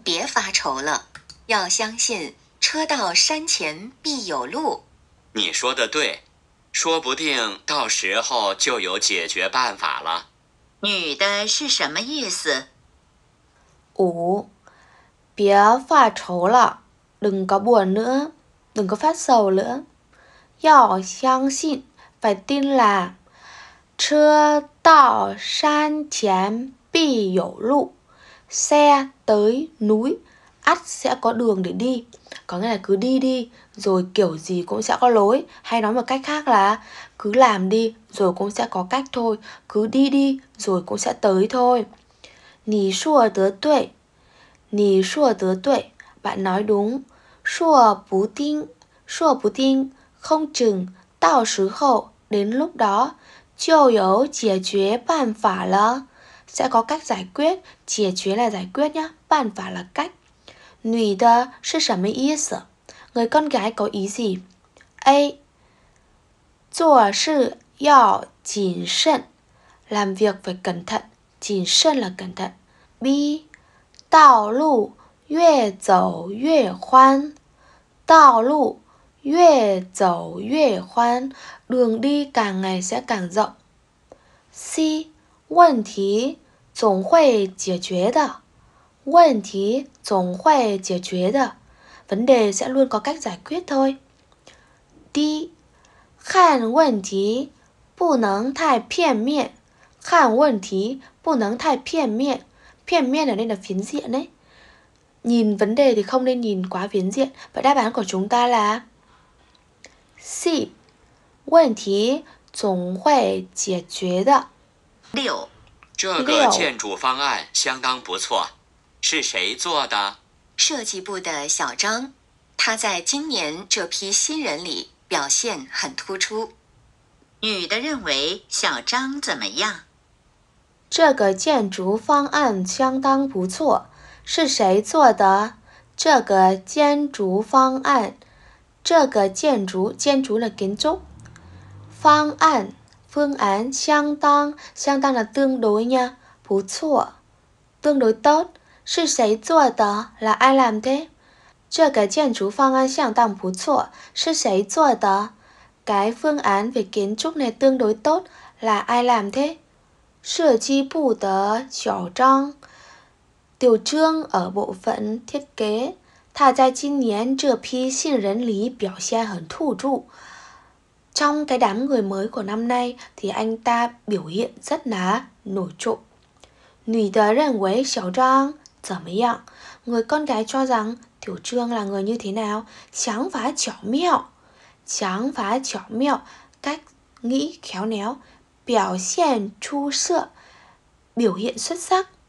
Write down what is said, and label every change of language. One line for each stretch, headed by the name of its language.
Chinese: 别发愁了，要相信车到山前必有路。你说的对，说不定到时候就有解决办法了。女的是什么意思？五，别发愁了，
Vietnamese: đừng có buồn nữa, đừng có phát sầu nữa.
Chinese: 要相信,
Vietnamese: phải tin là
Chinese: 车到山前必有路,
Vietnamese: xe tới núi, ắt sẽ có đường để đi. Có nghĩa là cứ đi đi, rồi kiểu gì cũng sẽ có lối. Hay nói một cách khác là cứ làm đi, rồi cũng sẽ có cách thôi. Cứ đi đi, rồi cũng sẽ tới thôi.
Chinese: 你说得对, 你说得对,
Vietnamese: bạn nói đúng.
Chinese: 说不定, 说不定,
Vietnamese: không chừng,
Chinese: 到时候,
Vietnamese: đến lúc đó,
Chinese: 就有解决办法了,
Vietnamese: sẽ có cách giải quyết,
Chinese: 解决
Vietnamese: là giải quyết nhé,
Chinese: 办法
Vietnamese: là cách.
Chinese: 女的是什么意思?
Vietnamese: Người con gái có ý gì? A.
Chinese: 做事要谨慎,
Vietnamese: làm việc phải cẩn thận,
Chinese: 谨慎
Vietnamese: là cẩn thận. B.
Chinese: 道路越走越宽, 道路越走越宽,
Vietnamese: đường đi càng ngày sẽ càng rộng.
Chinese: C. 问题总会解决的, 问题总会解决的,
Vietnamese: vấn đề sẽ luôn có cách giải quyết thôi. D.
Chinese: 看问题不能太片面, 看问题不能太片面, 片面
Vietnamese: là nên là phiến diện ấy. Nhìn vấn đề thì không nên nhìn quá phiến diện. Vậy đáp án của chúng ta là C.
Chinese: 问题总会解决的。六，这个建筑方案相当不错，是谁做的？设计部的小张，他在今年这批新人里表现很突出。女的认为小张怎么样？这个建筑方案相当不错，是谁做的？这个建筑方案。这个建筑建筑的建筑方案方案相当相当的
Vietnamese: tương đối nha,
Chinese: 不错
Vietnamese: tương đối tốt,
Chinese: 是谁做的
Vietnamese: là ai làm thế?
Chinese: 这个建筑方案相当不错是谁做的
Vietnamese: cái phương án về kiến trúc này tương đối tốt là ai làm thế?
Chinese: 设计部的小张
Vietnamese: tiểu trương ở bộ phận thiết kế
Chinese: 他在今年这批新人里表现很突出。
Vietnamese: Trong cái đám người mới của năm nay thì anh ta biểu hiện rất là nổi trội.
Chinese: 女的认为小张怎么样?
Vietnamese: Người con gái cho rằng Tiểu Trương là người như thế nào?
Chinese: 想法巧妙, 想法巧妙,
Vietnamese: cách nghĩ khéo léo,
Chinese: 表现出色,
Vietnamese: biểu hiện xuất sắc.